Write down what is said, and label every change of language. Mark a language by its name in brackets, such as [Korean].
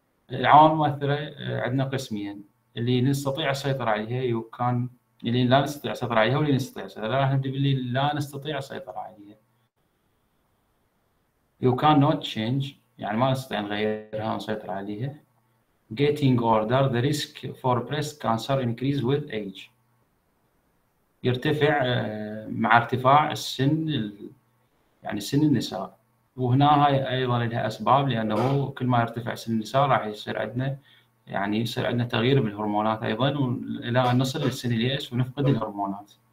[Arabic] العوامل المؤثره عندنا قسمين اللي نستطيع السيطره عليها وكان اللي لا نستطيع السيطره عليها واللي نستطيع السيطره, راح نبدا باللي لا نستطيع السيطره عليها. يو كان نوت تشينج يعني ما نستطيع نغيرها ونسيطر عليها. [English] Getting older, the risk for breast cancer increase with age. [Arabic] يرتفع مع ارتفاع السن يعني سن النساء. وهنا هاي أيضا لها أسباب لأنه كل ما يرتفع سن النساء راح يصير عندنا يعني يصير عندنا تغيير بالهرمونات أيضا إلى أن نصل للسن اليأس ونفقد الهرمونات.